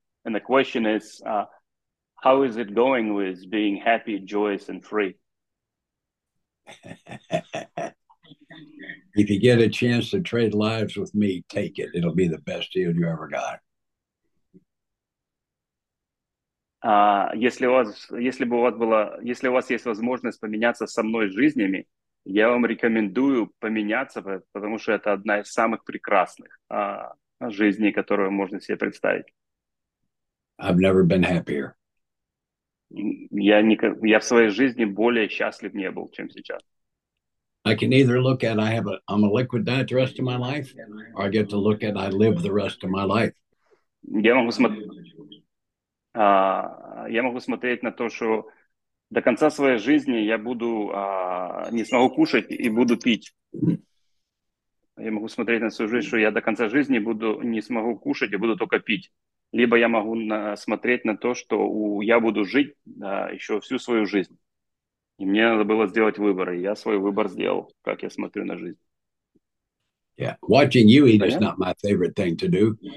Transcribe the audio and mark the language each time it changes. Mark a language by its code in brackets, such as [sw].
[en] And the question is, how is it going with being happy, joyous, and free? If you get a chance to trade lives with me, take it. It'll be the best deal you ever got. [ru] Если у вас есть возможность поменяться со мной жизнями, я вам рекомендую поменяться, потому что это одна из самых прекрасных жизней, которую можно себе представить. [en] I've never been happier. [ru] Я в своей жизни более счастлив не был, чем сейчас. [en] I can either look at I'm a liquid diet the rest of my life, or I get to look at I live the rest of my life. [ru] Я могу смотреть на то, что до конца своей жизни я буду не смогу кушать и буду пить. Я могу смотреть на свою жизнь, что я до конца жизни буду не смогу кушать и буду только пить. Либо я могу смотреть на то, что я буду жить еще всю свою жизнь. И мне надо было сделать выбор, и я свой выбор сделал, как я смотрю на жизнь. [en] Yeah, watching you eat is not my favorite thing to do.